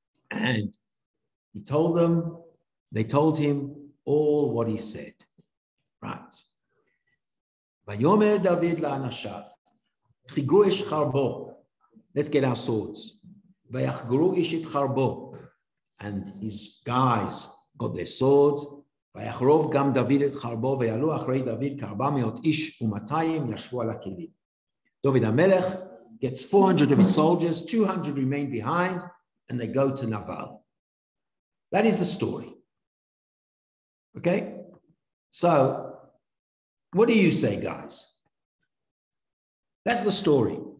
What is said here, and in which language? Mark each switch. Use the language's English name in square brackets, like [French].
[English] And he told them, they told him all what he said. [Hebrew] Right. Vayomer David la'anashav, chigru ish charbo. [English] Let's get our swords. [Hebrew] Vayachgru ish it charbo. [English] And his guys got their swords. [Hebrew] ויחרוב גם דוד את חרבו ויעלו אחרי דוד כארבע מאות איש ומאתיים ישבו על הכלים. [English] דוד המלך gets 400 of his soldiers, 200 remain behind, and they go to Naval. That is the story. Okay? So, what do you say, guys? That's the story.